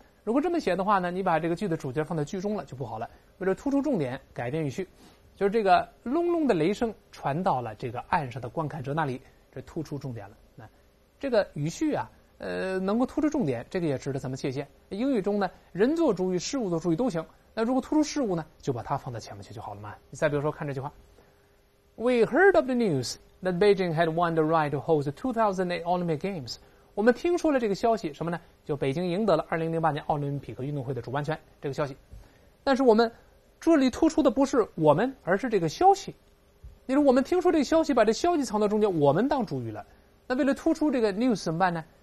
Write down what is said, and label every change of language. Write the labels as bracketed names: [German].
[Chinese] 如果这么写的话呢，你把这个句子主角放在句中了就不好了。为了突出重点，改变语序，就是这个隆隆的雷声传到了这个岸上的观看者那里，这突出重点了。这个语序啊能够突出重点，这个也值得咱们借鉴。英语中呢，人作主语、事物作主语都行。那如果突出事物呢，就把它放在前面去就好了嘛。你再比如说，看这句话 [English] ：We heard of the news that Beijing had won the right to host the 2008 Olympic Games。 [Chinese] 我们听说了这个消息，什么呢？就北京赢得了2008年奥林匹克运动会的主办权这个消息。但是我们这里突出的不是我们，而是这个消息。你说我们听说这个消息，把这消息藏到中间，我们当主语了。那为了突出这个 news 怎么办呢？